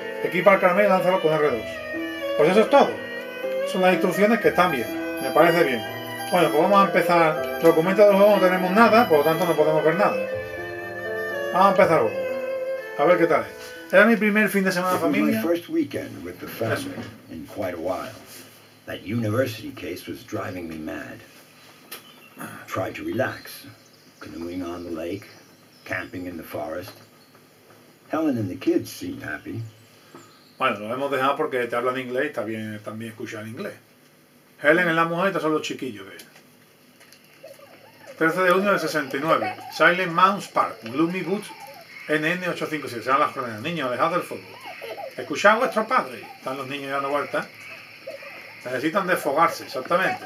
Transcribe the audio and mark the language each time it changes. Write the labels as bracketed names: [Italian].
[Spanish] Equipa el caramelo y lánzalo con R2. Pues eso es todo. Son las instrucciones que están bien. Me parece bien. Bueno, pues vamos a empezar. Documento del juego no tenemos nada, por lo tanto no podemos ver nada. Vamos a empezar luego. A ver qué tal es. Era mi primer fin de semana de familia. Fue mi primer weekend con la familia en [English] quite a while. That university case was driving me mad. Try to relax. Canoeing on the lake, camping in the forest. Helen and the kids seem happy. [Spanish] Bueno, lo hemos dejado porque te hablan inglés y está bien también escuchar en inglés. Helen es la mujer y estos son los chiquillos de ella. 13 de junio del 69. Silent Mounds Park, Gloomy Woods, NN857. Se llaman las jóvenes. Niños, alejados del fútbol. Escuchad a vuestro padre. Están los niños dando vueltas. Necesitan desfogarse, exactamente.